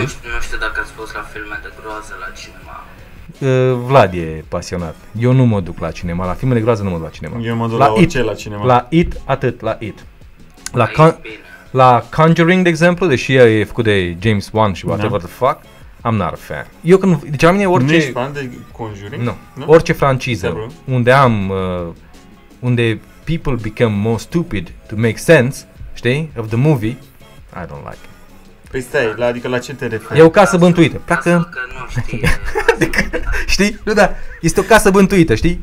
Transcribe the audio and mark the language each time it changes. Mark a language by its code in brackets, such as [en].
[ro] Nu știu dacă ați fost la filme de groază la cinema. Vlad e pasionat. Eu nu mă duc la cinema, la filmele groază nu mă duc la cinema. Eu mă duc la orice, la cinema. La It, atât, la It. La, la, con- it, La Conjuring, de exemplu, deși e făcut de James Wan și [en] whatever the fuck, I'm not a fan. [ro] Eu când, deci la mine orice... Nu ești fan de Conjuring? Nu. Orice franciză unde am, unde [en] people become more stupid to make sense, [ro] știi, [en] of the movie, I don't like it. [ro] Păi stai, la, adică la ce te referi? E o casă bântuită. Pleacă... Că nu știi. Știi? Nu, da. Este o casă bântuită, știi?